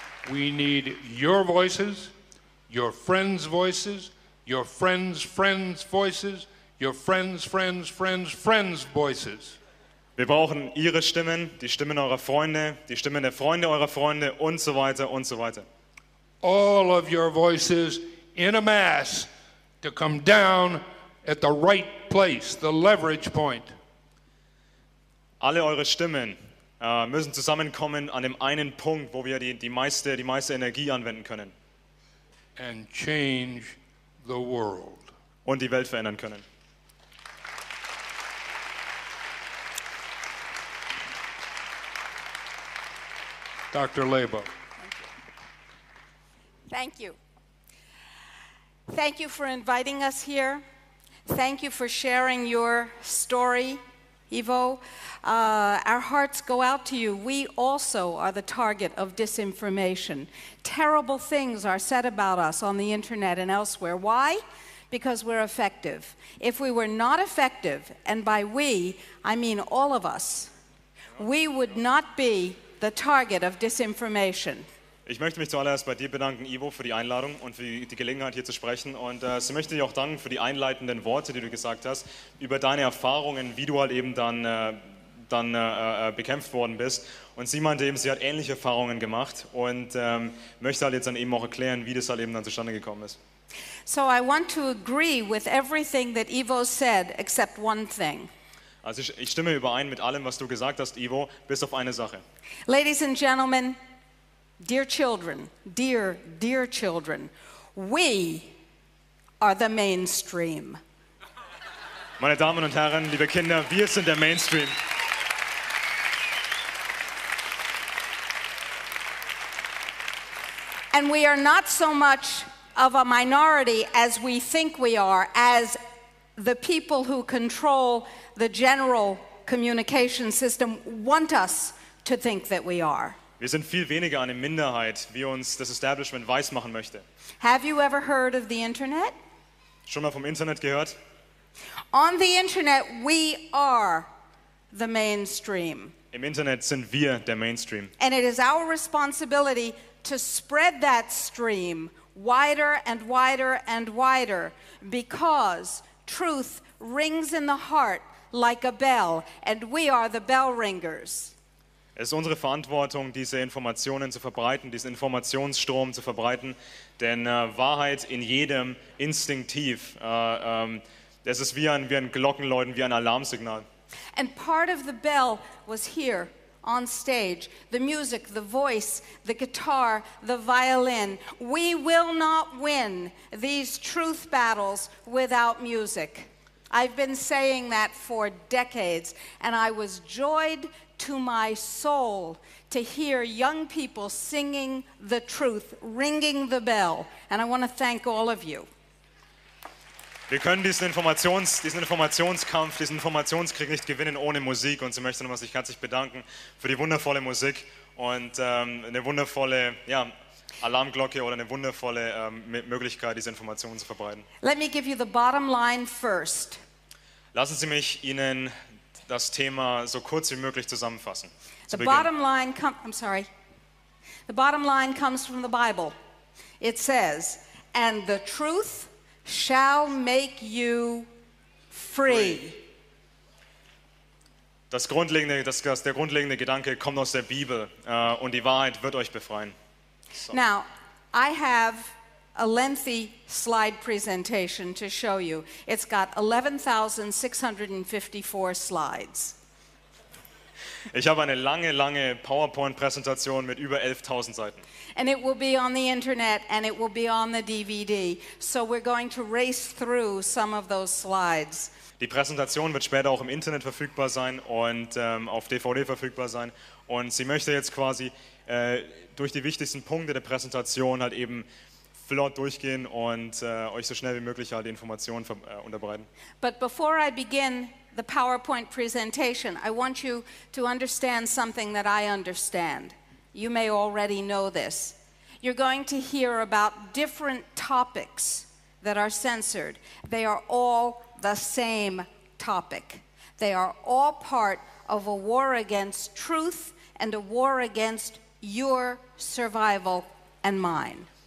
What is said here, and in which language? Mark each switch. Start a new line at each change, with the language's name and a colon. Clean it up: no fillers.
English: We need your voices, your friends' voices, your friends' friends' voices, your friends' friends' friends' friends' voices.
German: Wir brauchen ihre Stimmen, die Stimmen eurer Freunde, die Stimmen der Freunde eurer Freunde und so weiter und so weiter.
English: All of your voices in a mass to come down at the right place, the leverage point.
German: Alle eure Stimmen müssen zusammenkommen an dem einen Punkt, wo wir die meiste Energie anwenden können.
English: And change the world.
German: Und die Welt verändern können.
English: Dr. Labo. Thank you. Thank you for inviting us here. Thank you for sharing your story, Ivo. Our hearts go out to you. We also are the target of disinformation. Terrible things are said about us on the internet and elsewhere. Why? Because we're effective. If we were not effective, and by we, I mean all of us, we would not be the target of disinformation.
German: Ich möchte mich zuallererst bei dir bedanken, Ivo, für die Einladung und für die Gelegenheit, hier zu sprechen. Und ich möchte dich auch danken für die einleitenden Worte, die du gesagt hast, über deine Erfahrungen, wie du halt eben dann bekämpft worden bist. Und sie meinte eben, sie hat ähnliche Erfahrungen gemacht und möchte halt jetzt dann eben auch erklären, wie das halt eben dann zustande gekommen ist.
English: So I want to agree with everything that Ivo said, except one thing.
German: Also ich stimme überein mit allem, was du gesagt hast, Ivo, bis auf eine Sache.
English: Ladies and gentlemen, dear children, dear, dear children, we are the mainstream.
German: Meine Damen und Herren, liebe Kinder, wir sind der Mainstream.
English: And we are not so much of a minority as we think we are, as the people who control the general communication system want us to think that we are.
German: Wir sind viel weniger eine Minderheit, wie uns das Establishment weismachen möchte.
English: Have you ever heard of the Internet?
German: Schon mal vom Internet gehört?
English: On the Internet, we are the mainstream.
German: Im Internet sind wir der Mainstream.
English: And it is our responsibility to spread that stream wider and wider and wider, because truth rings in the heart like a bell, and we are the bell ringers.
German: Es ist unsere Verantwortung, diese Informationen zu verbreiten, diesen Informationsstrom zu verbreiten, denn Wahrheit in jedem instinktiv, es ist wie ein Glockenläuten, wie ein Alarmsignal.
English: And part of the bell was here on stage, the music, the voice, the guitar, the violin. We will not win these truth battles without music. I've been saying that for decades, and I was joyed to my soul to hear young people singing the truth, ringing the bell, and I want to thank all of you.
German: Wir können diesen Informationskampf, diesen Informationskrieg nicht gewinnen ohne Musik, und sie möchte nochmal sich herzlich bedanken für die wundervolle Musik und eine wundervolle, ja, Alarmglocke oder eine wundervolle Möglichkeit, diese Informationen zu verbreiten.
English: Let me give you the bottom line first.
German: Lassen Sie mich Ihnen das Thema so kurz wie möglich zusammenfassen.
English: The bottom line comes from the Bible. It says, and the truth shall make you free.
German: Der grundlegende Gedanke kommt aus der Bibel, und die Wahrheit wird euch befreien.
English: So. Now, I have a lengthy slide presentation to show you. It's got 11,654 slides.
German: Ich habe eine lange PowerPoint-Präsentation mit über 11,000 Seiten.
English: And it will be on the internet and it will be on the DVD. So we're going to race through some of those slides.
German: Die Präsentation wird später auch im Internet verfügbar sein und auf DVD verfügbar sein. Und sie möchte jetzt quasi durch die wichtigsten Punkte der Präsentation halt eben flott durchgehen und euch so schnell wie möglich halt die Informationen unterbreiten.
English: But before I begin the PowerPoint presentation, I want you to understand something that I understand. You may already know this. You're going to hear about different topics that are censored. They are all the same topic. They are all part of a war against truth and a war against your survival and mine.